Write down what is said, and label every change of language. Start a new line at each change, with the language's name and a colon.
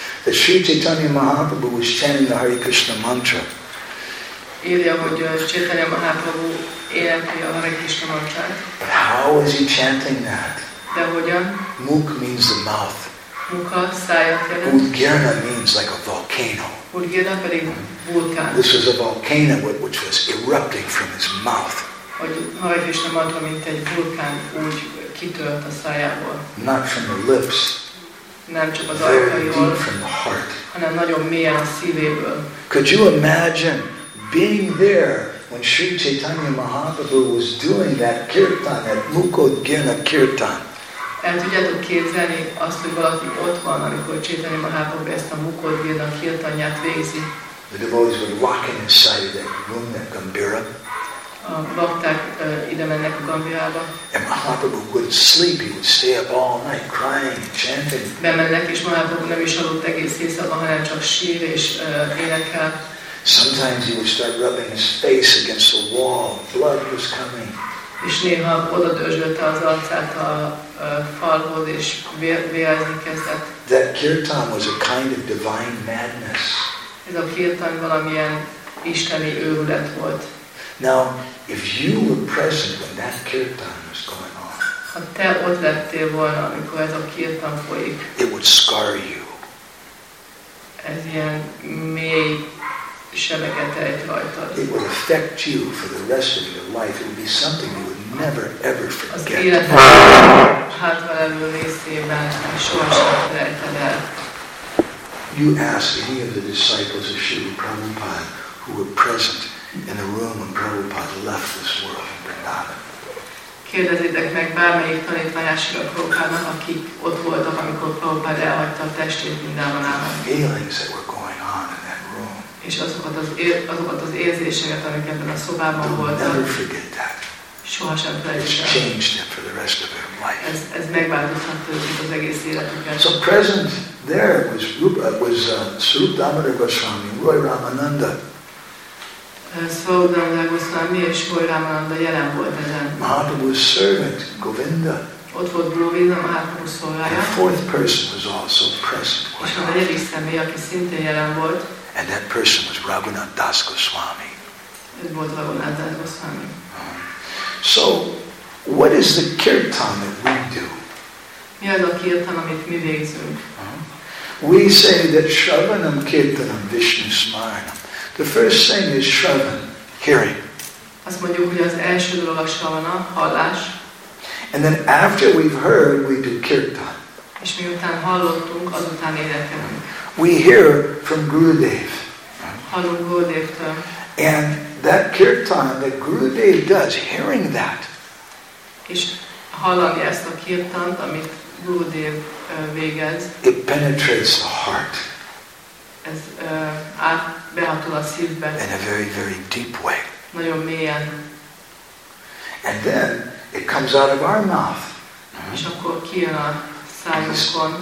English: That Sri Chaitanya Mahaprabhu was chanting the Hare Krishna mantra.
Hungarian: Írja, hogy Chaitanya Mahaprabhu énekli a Hare Krishna mantrát.
English: But how is he chanting that?
Hungarian: De hogyan?
English: Muk means the mouth.
Hungarian: Mukha, szája felett.
English: Udgirna means like a volcano.
Hungarian: Udgirna pedig vulkán.
English: This is a volcano which was erupting from his mouth.
Hungarian: Hogy Hare Krishna mantra, mint egy vulkán, úgy kitört a szájából.
English: Not from the lips.
Hungarian: Nem csak az ajkaiból.
English: From the heart.
Hungarian: Hanem nagyon mélyen a szívéből.
English: Could you imagine being there when Sri Chaitanya Mahaprabhu was doing that kirtan, that Mukodgirna kirtan?
Hungarian: El tudjátok képzelni azt, hogy valaki ott van, amikor Chaitanya Mahaprabhu ezt a Mukod Girna kirtanját végzi.
English: The devotees would walk in inside of that room, that Gambira.
Hungarian: A bakták ide mennek a Gambirába.
English: And Mahaprabhu wouldn't sleep, he would stay up all night crying and chanting.
Hungarian: Bemennek, és Mahaprabhu nem is aludt egész éjszaka, hanem csak sír és énekel.
English: Sometimes he would start rubbing his face against the wall, blood was coming.
Hungarian: És néha oda dörzsölte az arcát a falhoz, és vérezni kezdett.
English: That kirtan was a kind of divine madness.
Hungarian: Ez a kirtan valamilyen isteni őrület volt.
English: Now, if you were present when that kirtan was going on,
Hungarian: ha te ott lettél volna, amikor ez a kirtan folyik,
English: it would scar you.
Hungarian: Ez ilyen mély sebeket ejt rajtad.
English: It would affect you for the rest of your life. It would be something you would never ever forget.
Hungarian: Az életed hátralevő részében sohasem felejted el.
English: You ask any of the disciples of Srila Prabhupada who were present in the room when Prabhupada left this world in Vrindavan.
Hungarian: Kérdezzétek meg bármelyik tanítványát Srila Prabhupádnak, akik ott voltak, amikor Prabhupada elhagyta a testét Vrindavanában.
English: The feelings that were going on in that room.
Hungarian: És azokat az érzéseket, amik ebben a szobában voltak. Sohasem felejtettem. Ez megváltoztatta őket az egész életüket.
English: So present there was Rupa, was Swarup Damodar Goswami, Roy Ramananda.
Hungarian: Swarup Damodar Goswami és Roy Ramananda jelen volt ezen.
English: Mahaprabhu's servant, Govinda.
Hungarian: Ott volt Govinda, Mahaprabhu's szolgája.
English: A fourth person was also present.
Hungarian: És a negyedik személy, aki szintén jelen volt.
English: And that person was Raghunath Das Goswami.
Hungarian: Ez volt Raghunath Das Goswami.
English: So, what is the kirtan that we do?
Hungarian: Mi az a kirtan, amit mi végzünk?
English: We say that
Sanskrit: shravanam kirtanam vishnu smaranam.
English: The first thing is shravan, hearing.
Hungarian: Azt mondjuk, hogy az első dolog a shravana, hallás.
English: And then after we've heard, we do kirtan.
Hungarian: És miután hallottunk, azután énekelünk.
English: We hear from Gurudev.
Hungarian: Hallunk Gurudevtől.
English: And that kirtan that Gurudev does, hearing that.
Hungarian: És hallani ezt a kirtant, amit Gurudev végez.
English: It penetrates the heart.
Hungarian: Ez behatol a szívbe.
English: In a very, very deep way.
Hungarian: Nagyon mélyen.
English: And then it comes out of our mouth.
Hungarian: És akkor kijön a szájunkon.